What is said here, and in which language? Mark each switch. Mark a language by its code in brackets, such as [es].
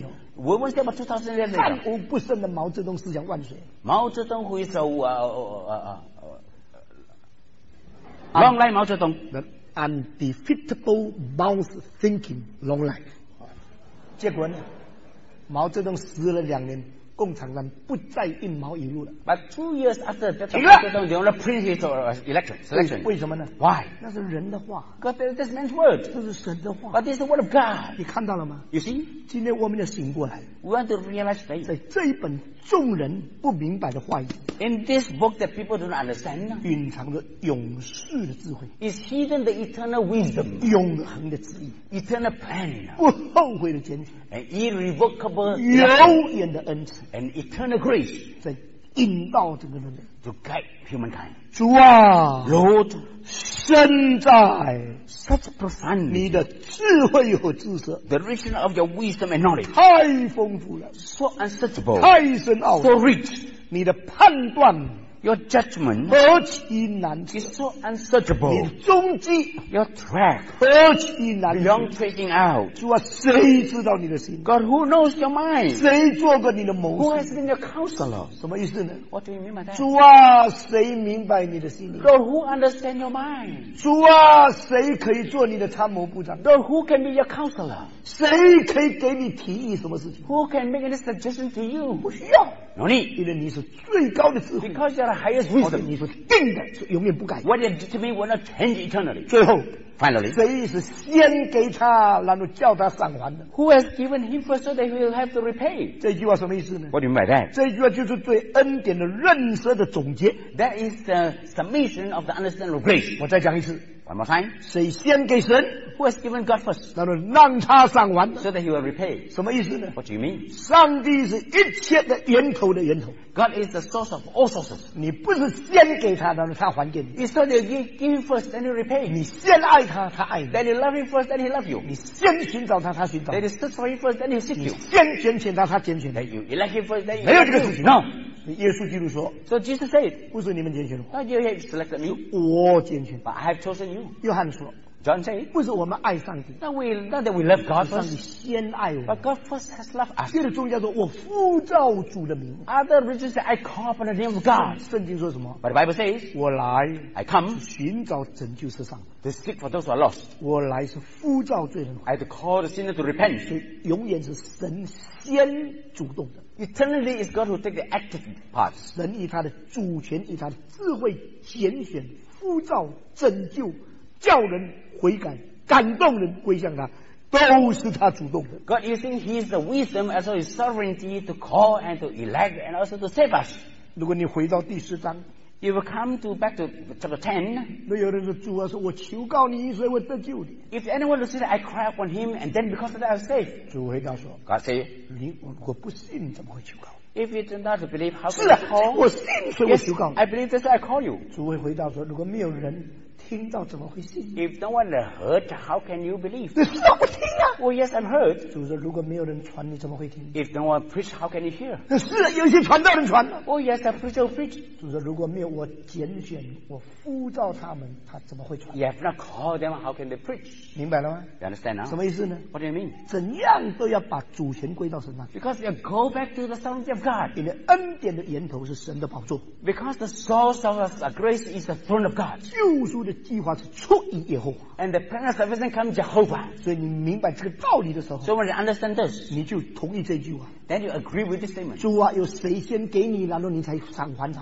[zh] 以后，万物不生的毛泽东思想万岁。毛泽东会说啊啊啊 [en] ，Long life Mao Zedong, the undefeatable Mao thinking, long life。 [zh] 结果呢，毛泽东死了两年，共产党不再印毛一路了。 [en] But two years after that, [zh] 停了。 [en] 毛泽东 during the previous election, [zh] 为什么呢 [en] ？Why? [zh] 那是人的话。 [en] God, this man's word. [zh] 这是神的话。 [en] But this is the word of God. [zh] 你看到了吗 [en] ？You see? [zh] 今天我们要醒过来。 [en] We want to realize that. [zh] 在这一本众人不明白的话语。 [en] In this book that people don't understand. [zh] 隐藏着永世的智慧。 [en] Is hidden the eternal wisdom. [zh] 永恒的旨意。 [en] Eternal plan. [zh] 不后悔的坚持。 [en] An irrevocable. [zh] 永远的恩赐。 [en] An eternal grace [zh] 在引导这个人 [en] to guide humankind. [zh] 主啊 [en] ，Lord， [zh] 深在 [en] such profound [zh] 你的智慧和知识 [en] ，the richness of your wisdom and knowledge [zh] 太丰富了 [en] ，so unsearchable [zh] 太深奥 [en] ，so rich [zh] 你的判断 [en] ，your judgment [zh] 何其难 [en] ，is so unsearchable [zh] 你的踪迹 [en] ，your track [zh] 何其难 [en] ，beyond tracing out [zh] 主啊，谁知道你的心 [en] ？God who knows your mind [zh] 谁做过你的谋士 [en] ？Who has been your counselor [zh] 什么意思呢 [en] ？What do you mean by that [zh] 主啊，谁明白你的心 [en] ？God who understand your mind [zh] 主啊，谁可以做你的参谋部长 [en] ？God who can be your counselor [zh] 谁可以给你提议什么事情 [en] ？Who can make any suggestion to you [zh] 不需要。 [en] No need. [zh] 因为你是最高的智慧 [en] ，Because you are the highest wisdom. [zh] 你是定的，是永远不改。 [en] What you determine will not change eternally. [zh] 最后 [en] ，Finally， [zh] 谁是先给他，然后叫他偿还的 [en] ？Who has given him first so that he will have to repay？ [zh] 这句话什么意思呢 [en] ？What do you mean by that？ [zh] 这句话就是对恩典的认识的总结。 [en] That is the summation of the understanding of grace. [zh] 我再讲一次。 [en] One more time. [zh] 谁先给神 [en] ？Who has given God first？ [zh] 然后让他偿还 [en] ，so that he will repay。 [zh] 什么意思呢 [en] ？What do you mean？ [zh] 上帝是一切的源头的源头。 [en] God is the source of all sources。 [zh] 你不是先给他，然后他还给你。 [en] It's not that you give him first, then you repay。 [zh] 你先爱他，他爱你。 [en] Then you love him first, then he loves you。 [zh] 你先寻找他，他寻找。 [en] Then you search for him first, then he seeks you。 [zh] 你先拣选他，他拣选。 [en] Then you elect him first, then you. [zh] 没有这个事情。 [en] No。 [zh] 耶稣基督说 [en] ，So Jesus said， [zh] 不是你们拣选的 [en] ，Not you have selected me， [zh] 我拣选 [en] ，But I have chosen you。 [zh] 约翰说 [en] ，John said， [zh] 不是我们爱上帝 [en] ，Not that we love God， [zh] 上帝先爱我 [en] ，But God first has loved us。 [zh] 接着宗教说，我呼召主的名 [en] ，Other religions say I call upon the name of God。 [zh] 圣经说什么 [en] ？But the Bible says， [zh] 我来 [en] ，I come， [zh] 寻找拯救世上。 [en] To seek for those who are lost. [zh] 我来是呼召罪人。 [en] I have to call the sinner to repent. [zh] 所以永远是神先主动的。 [en] Eternally is God who takes the active part. [zh] 神以他的主权，以他的智慧拣选、呼召、拯救、叫人悔改、感动人归向他，都是他主动的。 [en] God using His wisdom as well His sovereignty to call and to elect and also to save us. [zh] 如果你回到第十章。 [en] You will come to back to chapter 10. [zh] 那有人说主啊，说我求告你，所以我得救你。 [en] If anyone will say that I cry upon him, and then because of that I will save. [zh] 主回答说 [en] ，God say, [zh] 你如果不信，怎么会求告 [en] ？If you do not believe, how can I call? [zh] 是啊，我信，所以我求告。 [en] Yes, I believe, that's why I call you. [zh] 主会回答说，如果没有人听到，怎么会信 [en] ？If no one heard, how can you believe? [zh] 你是不听啊 [en] ？Well, yes, I'm heard. [zh] 主说，如果没有人传，你怎么会听 [en] ？If no one preach, how can you hear? [zh] 是啊，有些传道人传。 [en] Well, yes, I preach, I preach. [zh] 主说，如果没有我拣选，我呼召他们，他怎么会传 [en] ？If not call them, how can they preach? [zh] 明白了吗 [en] ？You understand now? [zh] 什么意思呢 [en] ？What do you mean? [zh] 怎样都要把主权归到神那 [en] ？Because you go back to the sovereignty of God. [zh] 你的恩典的源头是神的宝座。 [en] Because the source of grace is the throne of God. [zh] 救赎的计划是出于耶和华 [en] ，and the plan of salvation comes Jehovah。 [zh] 所以你明白这个道理的时候 [en] ，so when you understand this， [zh] 你就同意这句话 [en] ，then you agree with this statement。 [zh] 主啊，有谁先给你，然后你才偿还他